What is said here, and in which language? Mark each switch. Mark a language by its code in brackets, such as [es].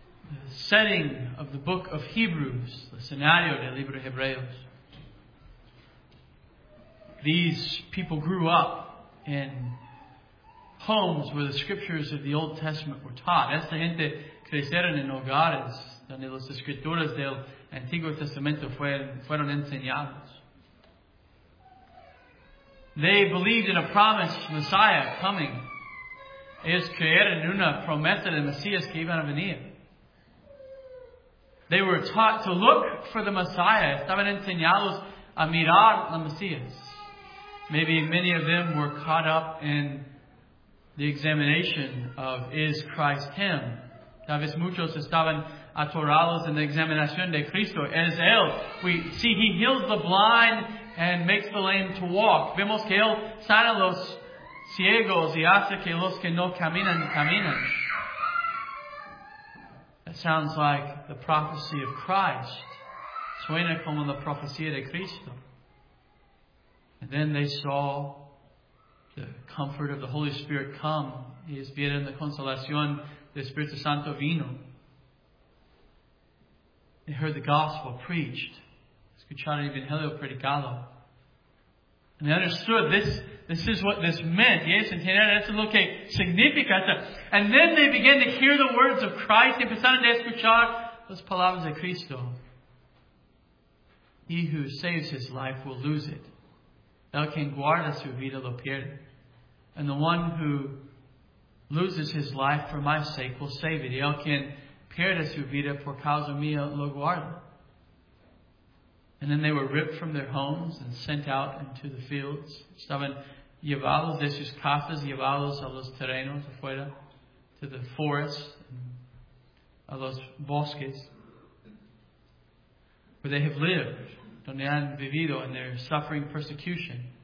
[en] The setting of the book of Hebrews, the scenario [es] del libro de Hebreos. [en] These people grew up in homes where the scriptures of the Old Testament were taught. [es] Esta gente crecieron en hogares donde las escrituras del Antiguo Testamento fueron enseñadas. [en] They believed in a promised Messiah coming. [es] Ellos creyeron una promesa de Mesías que iban a venir. [en] They were taught to look for the Messiah. [es] Estaban enseñados a mirar la Mesías. [en] Maybe many of them were caught up in the examination of, is Christ him? [es] Tal vez muchos estaban atorados en la examinación de Cristo. Es él. [en] We see he heals the blind and makes the lame to walk. [es] Vemos que él sana los ciegos y hace que los que no caminan, caminan. [en] It sounds like the prophecy of Christ. [es] Suena como la profecía de Cristo. [en] And then they saw the comfort of the Holy Spirit come. [es] Ellos vieron la consolación del Espíritu Santo vino. [en] They heard the gospel preached. [es] Escucharon el Evangelio predicado. [en] And they understood this is what this meant. Yes, [es] entienden, eso es lo que significa. [en] And then they began to hear the words of Christ. [es] Empezaron a escuchar las palabras de Cristo. [en] He who saves his life will lose it. [es] El quien guarda su vida lo pierde. [en] And the one who loses his life for my sake will save it. [es] El quien pierde su vida por causa mía lo guarda. [en] And then they were ripped from their homes and sent out into the fields. [es] Estaban llevados de sus casas, llevados a los terrenos afuera, [en] to the forests, [es] a los bosques, [en] where they have lived, [es] donde han vivido, [en] and they're suffering persecution.